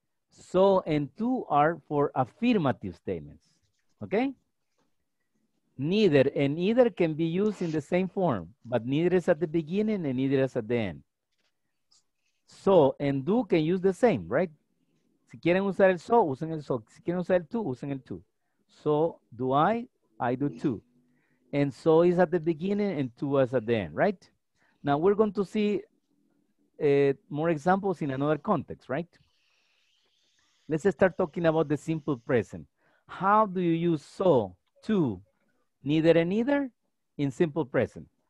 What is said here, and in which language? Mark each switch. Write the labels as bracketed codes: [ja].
[en] So and two are for affirmative statements. Okay? Neither and either can be used in the same form, but neither is at the beginning and neither is at the end. So and do can use the same, right? [es] Si quieren usar el so, usen el so. Si quieren usar el to, usen el to. [en] So do I do too. And so is at the beginning and to is at the end, right? Now we're going to see more examples in another context, right? Let's start talking about the simple present. How do you use so, to, neither and either in simple present?